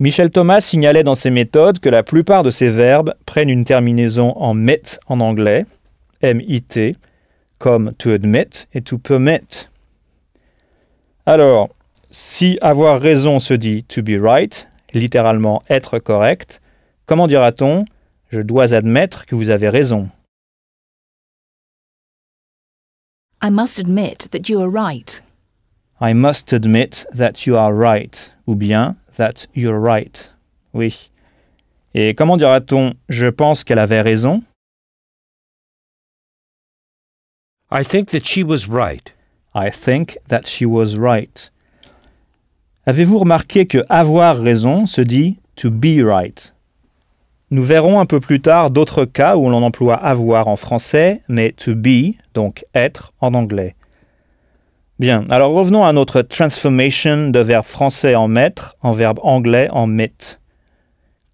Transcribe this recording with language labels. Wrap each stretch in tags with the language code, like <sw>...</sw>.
<fr>Michel Thomas signalait dans ses méthodes que la plupart de ces verbes prennent une terminaison en « met » en anglais, « m-i-t », comme « to admit » et « to permit ». Alors, si « avoir raison » se dit «</fr> <en>to be right</en> <fr>», littéralement « être correct », comment dira-t-on « je dois admettre que vous avez raison » ?</fr> <en>I must admit that you are right. I must admit that you are right.</en> <fr>Ou bien,</fr> <en>that you're right.</en> <fr>Oui. Et comment dira-t-on, je pense qu'elle avait raison?</fr> <en>I think that she was right. I think that she was right.</en> <fr>Avez-vous remarqué que avoir raison se dit</fr> <en>to be right?</en> <fr>Nous verrons un peu plus tard d'autres cas où l'on emploie « avoir » en français, mais « to be », donc « être » en anglais. Bien, alors revenons à notre transformation de verbe français en « mettre » en verbe anglais en « met ».</fr>